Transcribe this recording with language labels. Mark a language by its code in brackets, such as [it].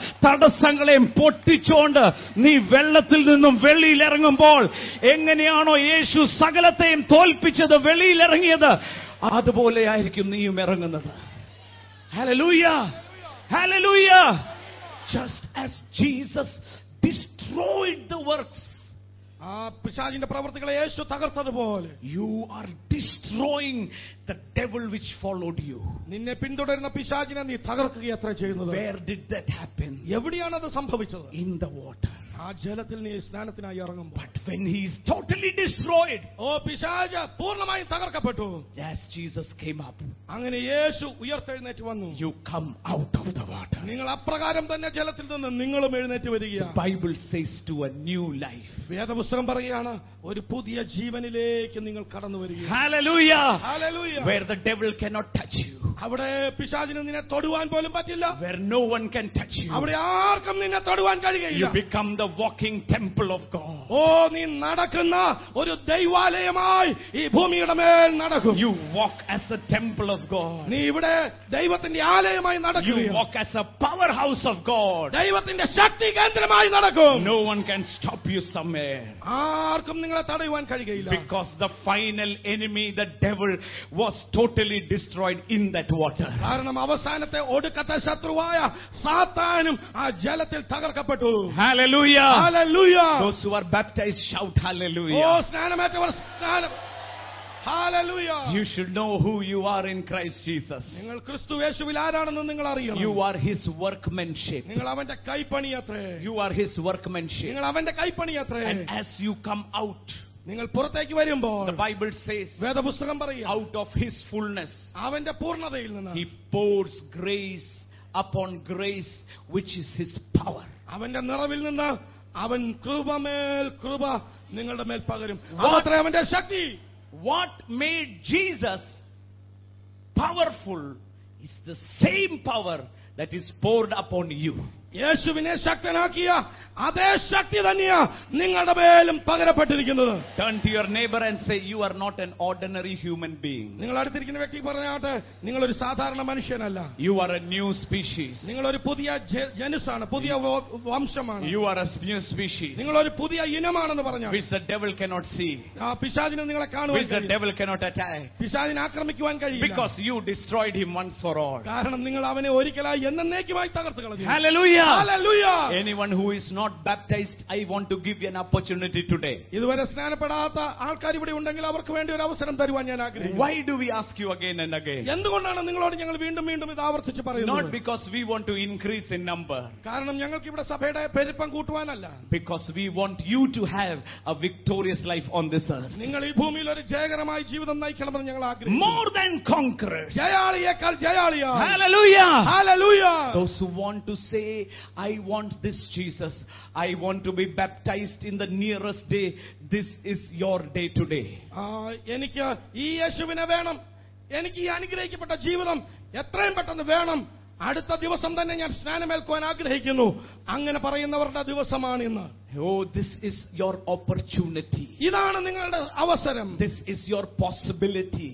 [ml] തടസ്സങ്ങളെയും പൊട്ടിച്ചുകൊണ്ട് നീ വെള്ളത്തിൽ നിന്നും വെളിയിലിറങ്ങുമ്പോൾ എങ്ങനെയാണോ യേശു സകലത്തെയും തോൽപ്പിച്ചത്, വെളിയിലിറങ്ങിയത്, അതുപോലെ ആയിരിക്കും നീയും ഇറങ്ങുന്നത്. [en] Hallelujah. Hallelujah. Just as Jesus destroyed the works. [ml] ആ പിശാചിന്റെ പ്രവൃത്തികളെ യേശു തകർത്തതുപോലെ. [en] You are destroying the devil which followed you. [ml] നിന്നെ പിന്തുടരുന്ന പിശാചിനെ നീ തകർക്കുകയത്രേ ചെയ്യുന്നത്. [en] Where did that happen? [ml] എവിടെയാണ് അത് സംഭവിച്ചത്? [en] In the water. [ml] ആ ജലത്തിൽ നീ സ്നാനത്തിനായി ഇറങ്ങുമ്പോൾ. [en] But when he is totally destroyed. [ml] ഓ പിശാച് പൂർണ്ണമായും തകർക്കപ്പെട്ടു. [en] As Jesus came up. [ml] അങ്ങനെ യേശു ഉയർത്തെഴുന്നേറ്റ് വന്നു. [en] You come out of the water. [ml] നിങ്ങൾ അപ്രകാരം തന്നെ ജലത്തിൽ നിന്ന് നിങ്ങളും എഴുന്നേറ്റ് വരികയാണ്. [en] Bible says to a new life. [ml] വേദപുസ്തകം പറയുകയാണ്, ഒരു പുതിയ ജീവനിലേക്ക് നിങ്ങൾ കടന്നു വരിക. [en] Hallelujah. Hallelujah. Where the devil cannot touch you. [ml] അവിടെ പിശാചിന് നിന്നെ തൊടുവാൻ പോലും പറ്റില്ല. [en] Where no one can touch you. [ml] അവിടെ ആർക്കും നിന്നെ തൊടുവാൻ കഴിയില്ല. [en] You become the walking temple of God. [ml] ഓ നീ നടക്കുന്ന ഒരു ദൈവാലയമായി ഈ ഭൂമിയുടെ മേൽ നടക്കും. [en] You walk as a temple of God. [ml] നീ ഇവിടെ ദൈവത്തിന്റെ ആലയമായി നടക്കും. [en] You walk as a power house of God. [ml] ദൈവത്തിന്റെ ശക്തി കേന്ദ്രമായി നടക്കും. [en] No one can stop you somewhere. [ml] ആർക്കും നിങ്ങളെ തടയുവാൻ കഴിയില്ല. [en] Because the final enemy, the devil, was totally destroyed in that water. [ml] കാരണം അവസാനത്തെ ഒടുക്കത്തെ ശത്രുവായ സാത്താനും ആ ജലത്തിൽ തകർക്കപ്പെട്ടു. [en] Hallelujah. Hallelujah. Those who are baptized, shout hallelujah. [ml] Oh, സ്നാനമേറ്റവർ സ്നാനം. Hallelujah. [en] You should know who you are in Christ Jesus. [ml] നിങ്ങൾ ക്രിസ്തു യേശുവിൽ ആരാണെന്ന് നിങ്ങൾ അറിയണം. [en] You are his workmanship. [ml] നിങ്ങൾ അവന്റെ കൈപ്പണിയത്രേ. [en] You are his workmanship. [ml] നിങ്ങൾ അവന്റെ കൈപ്പണിയത്രേ. [en] And as you come out, [ml] നിങ്ങൾ പുറത്തേക്ക് വരുമ്പോൾ, [en] the Bible says, [ml] വേദപുസ്തകം പറയുന്നു, [en] out of his fullness, [ml] അവന്റെ പൂർണതയിൽ നിന്ന്, [en] he pours grace upon grace, which is his power. [ml] അവന്റെ നിറവിൽ നിന്ന് അവൻ കൃപമേൽ കൃപ നിങ്ങളുടെ മേൽ പകരും. അത്രേ അവന്റെ ശക്തി. [en] What made Jesus powerful is the same power that is poured upon you. [ml] യേശുവിനെ ശക്തനാക്കിയ അതേ ശക്തി തന്നെയാ നിങ്ങളുടെ മേലും പകരപ്പെട്ടിരിക്കുന്നത്. [en] Turn to your neighbor and say, you are not an ordinary human being. [ml] നിങ്ങൾ അടുത്തിരിക്കുന്ന വ്യക്തിക്ക് പറഞ്ഞാട്ടെ, നിങ്ങൾ ഒരു സാധാരണ മനുഷ്യനല്ല. [en] You are a new species. [ml] നിങ്ങൾ ഒരു പുതിയ ജനുസാണ്, പുതിയ വംശമാണ്. [en] You are a new species. [ml] നിങ്ങൾ ഒരു പുതിയ ഇനമാണെന്ന് പറഞ്ഞാ, [en] which the devil cannot see. [ml] ആ പിശാചിനെ നിങ്ങളെ കാണുവാൻ, [en] which the devil cannot attack. [ml] പിശാചിനെ ആക്രമിക്കുവാൻ കഴിയില്ല. [en] Because you destroyed him once for all. [ml] കാരണം നിങ്ങൾ അവനെ ഒരിക്കലായി എന്നേക്കുമായി തകർത്തു കളഞ്ഞു. [en] Hallelujah. Hallelujah. Anyone who is not baptized, I want to give you an opportunity today. [ml] ഇതുവരെ സ്നാനപ്പെടാത്ത ആൾക്കാർ ഇവിടെ ഉണ്ടെങ്കിൽ അവർക്ക് വേണ്ടി ഒരു അവസരം തരുവാൻ ഞാൻ ആഗ്രഹിക്കുന്നു. [en] Why do we ask you again and again? [ml] എന്തുകൊണ്ടാണ് നിങ്ങളോട് ഞങ്ങൾ വീണ്ടും വീണ്ടും ഇത് ആവർത്തിച്ച് പറയുന്നത്? [en] Not because we want to increase in number. [ml] കാരണം ഞങ്ങൾക്ക് ഇവിടെ സഭയുടെ പെരുപ്പം കൂട്ടുവാനല്ല. [en] Because we want you to have a victorious life on this earth. [ml] നിങ്ങൾ ഈ ഭൂമിയിൽ ഒരു ജയകരമായ ജീവിതം നയിക്കണമെന്ന് ഞങ്ങൾ ആഗ്രഹിക്കുന്നു. [en] More than conquerors. [ml] ജയാളിയേക്കാൾ ജയാളിയാ. [en] Hallelujah. Hallelujah. Those who want to say, I want this Jesus, I want to be baptized in the nearest day, this is your day today. [ml] എനിക്ക് ഈ യേശുവിനെ വേണം, എനിക്ക് ഈ അനുഗ്രഹിക്കപ്പെട്ട ജീവിതം എത്രയും പെട്ടെന്ന് വേണം, അടുത്ത ദിവസം തന്നെ ഞാൻ സ്നാനമേൽക്കുവാൻ ആഗ്രഹിക്കുന്നു. അങ്ങനെ പറയുന്നവരുടെ ദിവസമാണ് ഇന്ന്. [en] Oh, this is your opportunity. [ml] ഇതാണ് നിങ്ങളുടെ അവസരം. [en] This is your possibility.